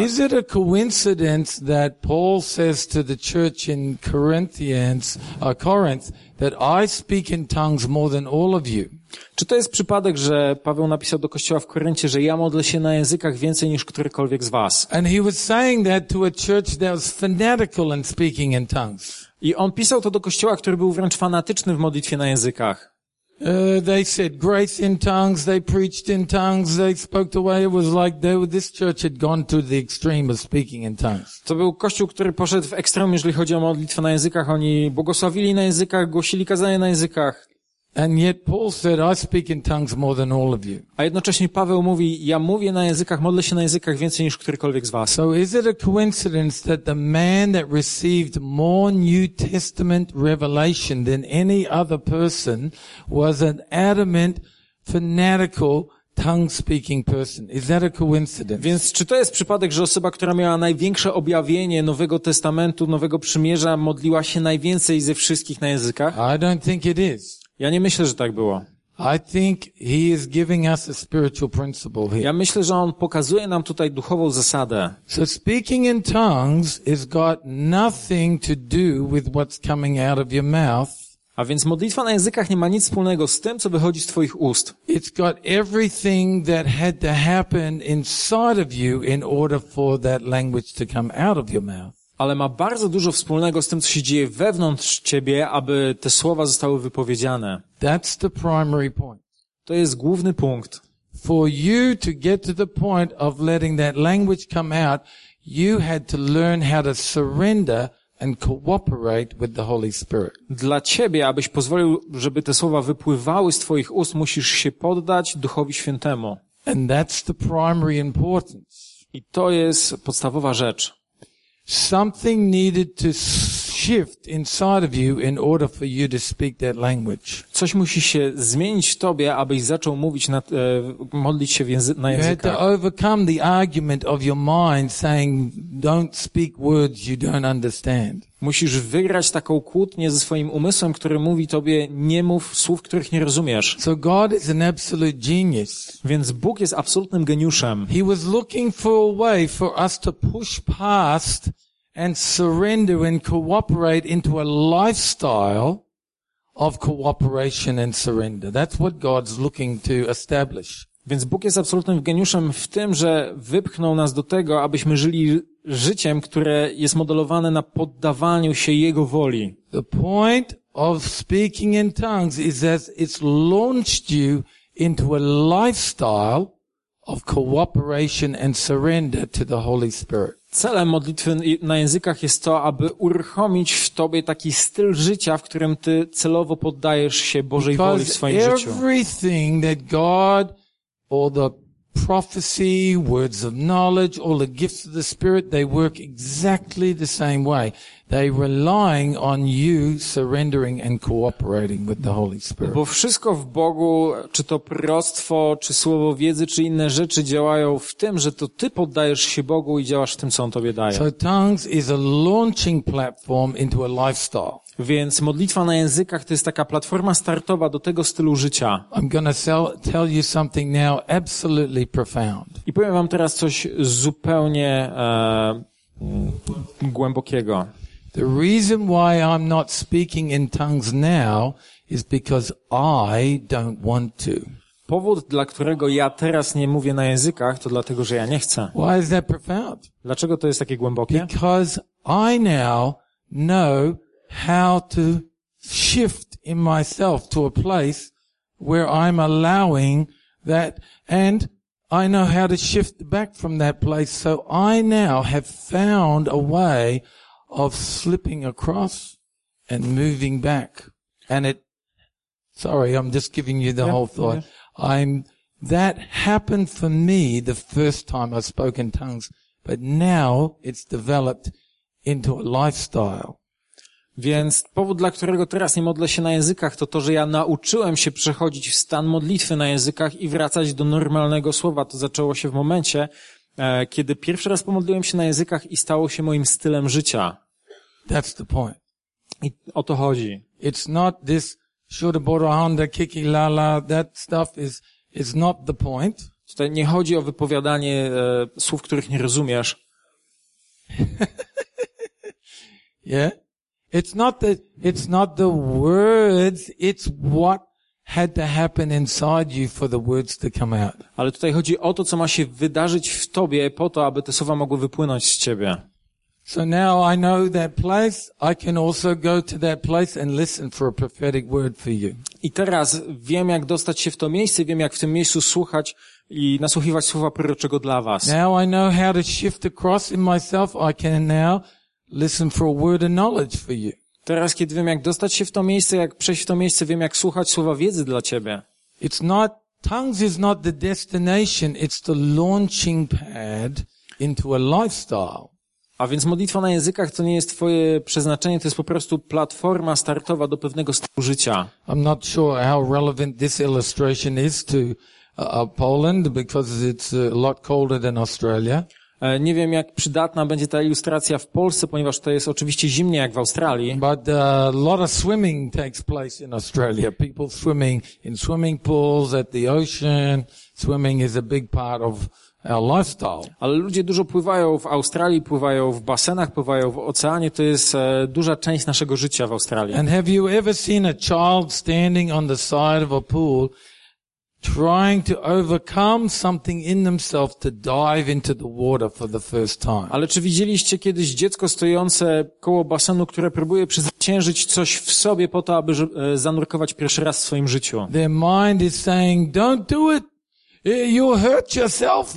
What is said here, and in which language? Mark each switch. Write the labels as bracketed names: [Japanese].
[English] Is it a coincidence that Paul says to the church in Corinth that I speak in tongues more than all of you? [Polish] Czy to jest przypadek, że Paweł napisał do kościoła w Koryncie, że ja modlę się na językach więcej niż którykolwiek z was? [English] And he was saying that to a church that was fanatical in speaking in tongues. [Polish] I on pisał to do kościoła, który był wręcz fanatyczny w modlitwie na językach. [English] They said grace in tongues, they preached in tongues, they spoke the way it was like they were, this church had gone to the extreme of speaking in tongues. [Polish] To był kościół, który poszedł w ekstrem, jeżeli chodzi o modlitwę na językach. Oni błogosławili na językach, głosili kazania na językach. [English] And yet Paul said I speak in tongues more than all of you. [Polish] A jednocześnie Paweł mówi, ja mówię na językach, modlę się na językach więcej niż którykolwiek z was. [English] So is it a coincidence that the man that received more New Testament revelation than any other person was an adamant, fanatical tongue speaking person? Is that a coincidence? [Polish] Więc czy to jest przypadek, że osoba, która miała największe objawienie Nowego Testamentu, Nowego Przymierza, modliła się najwięcej ze wszystkich na językach? [English] I don't think it is. [Polish] Ja nie myślę, że tak było. [English] I think he is giving us a spiritual principle here. [Polish] Ja myślę, że on pokazuje nam tutaj duchową zasadę. [English] So speaking in tongues has got nothing to do with what's coming out of your mouth. [Polish] A więc modlitwa na językach nie ma nic wspólnego z tym, co wychodzi z twoich ust. [English] It's got everything that had to happen inside of you in order for that language to come out of your mouth. [Polish] Ale ma bardzo dużo wspólnego z tym, co się dzieje wewnątrz ciebie, aby te słowa zostały wypowiedziane. [English] That's the primary point. [Polish] To jest główny punkt. [English] For you to get to the point of letting that language come out, you had to learn how to surrender and cooperate with the Holy Spirit. [Polish] Dla ciebie, abyś pozwolił, żeby te słowa wypływały z twoich ust, musisz się poddać Duchowi Świętemu. [English] And that's the primary importance. [Polish] I to jest podstawowa rzecz. [English] Something needed to shift inside of you in order for you to speak that language. [Polish] Coś musi się zmienić w tobie, abyś zaczął mówić na modlić się na językach. [English] You had to overcome the argument of your mind saying don't speak words you don't understand. [Polish] Musisz wygrać taką kłótnię ze swoim umysłem, który mówi tobie nie mów słów, których nie rozumiesz. [English] So God is an absolute genius. [Polish] Więc Bóg jest absolutnym geniuszem. [English] He was looking for a way for us to push past and surrender and cooperate into a lifestyle of cooperation and surrender. That's what God's looking to establish. [Polish] Więc Bóg jest absolutnym geniuszem w tym, że wypchnął nas do tego, abyśmy żyli życiem, które jest modelowane na poddawaniu się Jego woli. [English] The point of speaking in tongues is that it's launched you into a lifestyle of cooperation and surrender to the Holy Spirit. [Polish] Celem modlitwy na językach jest to, aby uruchomić w tobie taki styl życia, w którym ty celowo poddajesz się Bożej woli w swoim życiu. [English] Everything that God or the prophecy, words of knowledge, all the gifts of the Spirit, they work exactly the same way. They relying on you surrendering and cooperating with the Holy Spirit. [Polish] Bo wszystko w Bogu, czy to proroctwo, czy słowo wiedzy, czy inne rzeczy działają w tym, że to ty poddajesz się Bogu i działasz w tym, co on tobie daje. [English] So tongues is a launching platform into a lifestyle. [Polish] Więc modlitwa na językach to jest taka platforma startowa do tego stylu życia. [English] I'm gonna tell you something now absolutely profound. [Polish] I powiem wam teraz coś zupełnie głębokiego. [English] The reason why I'm not speaking in tongues now is because I don't want to. [Polish] Powód, dla którego ja teraz nie mówię na językach, to dlatego, że ja nie chcę. [English] Why is that profound? [Polish] Dlaczego to jest takie głębokie? [English] Because I now know how to shift in myself to a place where I'm allowing that, and I know how to shift back from that place, so I now have found a way of slipping across and moving back. And that happened for me the first time I spoke in tongues, but now it's developed into a lifestyle. [Polish] Więc powód, dla którego teraz nie modlę się na językach, to to, że ja nauczyłem się przechodzić w stan modlitwy na językach i wracać do normalnego słowa. To zaczęło się w momencie, kiedy pierwszy raz pomodliłem się na językach i stało się moim stylem życia. [English] That's the point. [Polish] I o to chodzi. [English] It's not this shura borahanda kiki lala, that stuff is not the point. [Polish] Tutaj nie chodzi o wypowiadanie słów, których nie rozumiesz. [English] Yeah? It's not the words, it's what had to happen inside you for the words to come out. [Polish] Ale tutaj chodzi o to, co ma się wydarzyć w tobie po to, aby te słowa mogły wypłynąć z ciebie. [English] So now I know that place, I can also go to that place and listen for a prophetic word for you. [Polish] I teraz wiem, jak dostać się w to miejsce, wiem, jak w tym miejscu słuchać i nasłuchiwać słowa proroczego dla was. [English] Now I know how to shift across in myself, I can now listen for a word of knowledge for you. [Polish] Teraz, kiedy wiem, jak dostać się w to miejsce, jak przejść w to miejsce, wiem, jak słuchać słowa wiedzy dla ciebie. [English] It's not, tongues is not the destination, it's the launching pad into a lifestyle. [Polish] A więc modlitwa na językach to nie jest twoje przeznaczenie, to jest po prostu platforma startowa do pewnego stylu życia. [English] I'm not sure how relevant this illustration is to Poland, because it's a lot colder than Australia. [Polish] Nie wiem, jak przydatna będzie ta ilustracja w Polsce, ponieważ to jest oczywiście zimnie jak w Australii. [English] But a lot of swimming takes place in Australia. People swimming in swimming pools, at the ocean. Swimming is a big part of our lifestyle. [Polish] Ale ludzie dużo pływają w Australii, pływają w basenach, pływają w oceanie. To jest duża część naszego życia w Australii. [English] And have you ever seen a child standing on the side of a pool, trying to overcome something in themselves to dive into the water for the first time. [Polish] Ale czy widzieliście kiedyś dziecko stojące koło basenu, które próbuje przezwyciężyć coś w sobie po to, aby zanurkować pierwszy raz w swoim życiu? [English] Their mind is saying, don't do it. You hurt yourself.